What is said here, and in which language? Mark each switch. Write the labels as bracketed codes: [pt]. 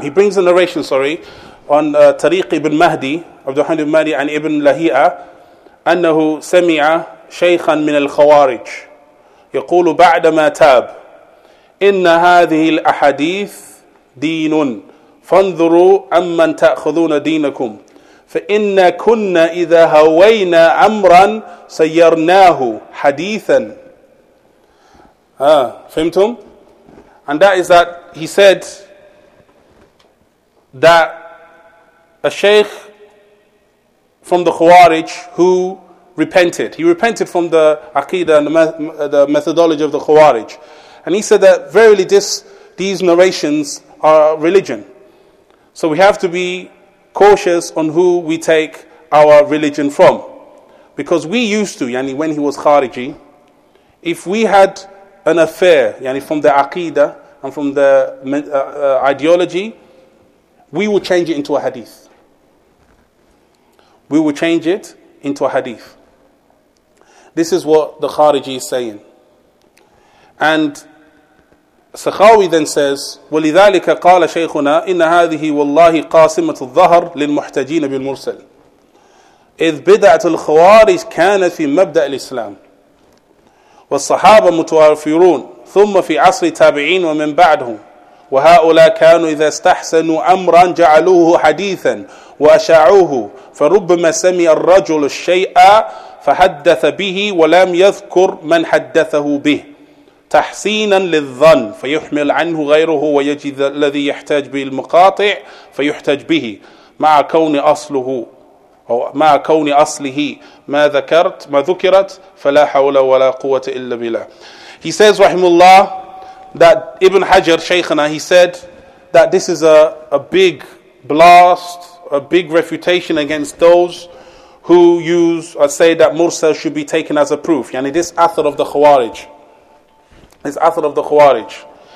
[en] He brings a narration, sorry, on [ar] طريق ابن مهدي عبد الرحمن بن مهدي عن ابن لهيئة أنه سمع شيخا من الخوارج يقول بعدما تاب إن هذه الأحاديث دين فانظروا أمن تأخذون دينكم فإن كنا إذا هوينا أمرا سيرناه حديثا. فهمتم؟ [en] And that is that he said that a sheikh from the Khawarij who repented. He repented from the Aqidah and the methodology of the Khawarij. And he said that verily these narrations are religion. So we have to be cautious on who we take our religion from. Because we used to, yani when he was Khariji, if we had an affair, yani from the Aqidah and from the ideology, we would change it into a hadith. We would change it into a hadith. This is what the Khariji is saying. And Sakhawi then says, [ar] وَلِذَلِكَ قَالَ شَيْخُنَا إِنَّ هَذِهِ وَاللَّهِ قَاسِمَةُ الظَّهَرِ لِلْمُحْتَجِينَ بِالْمُرْسَلِ. إذ بدعة الخوارج كانت في مبدأ الإسلام والصحابة متوافرون ثم في عصر التابعين ومن بعدهم وهؤلاء كانوا إذا استحسنوا أمرا جعلوه حديثا وأشاعوه فربما سمع الرجل الشيء فحدث به ولم يذكر من حدثه به تحسينا للظن فيحمل عنه غيره ويجد الذي يحتاج به المقاطع فيحتج به مع كون أصله أو مع كون أصله ما ذكرت ما ذكرت فلا حول ولا قوة إلا بالله. [en] He says رحمه الله that Ibn Hajar Shaykhana, he said that this is a big blast, a big refutation against those who use or say that Mursal should be taken as a proof. Yani this athar of the Khawarij. This athar of the Khawarij.